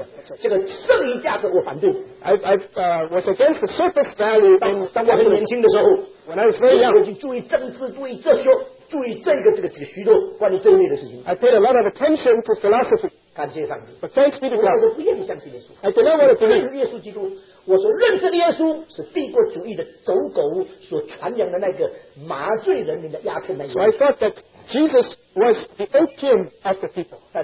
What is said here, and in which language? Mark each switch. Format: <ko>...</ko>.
<en>I was against the surface value when I was very young.</en> <zh>注意政治,注意这些,注意这个,这个,许多关于正义的事情,</zh> <en>I paid a lot of attention to philosophy.</en> <zh>感谢上帝,</zh> <en>but thanks be to God.</en> <zh>我不愿意相信耶稣,</zh> <en>I did not want to believe.</en> <zh>我所认识的耶稣是帝国主义的走狗所传扬的那个麻醉人民的鸦片那一位。</zh> <en>So I thought that Jesus was the opium of the people.</en>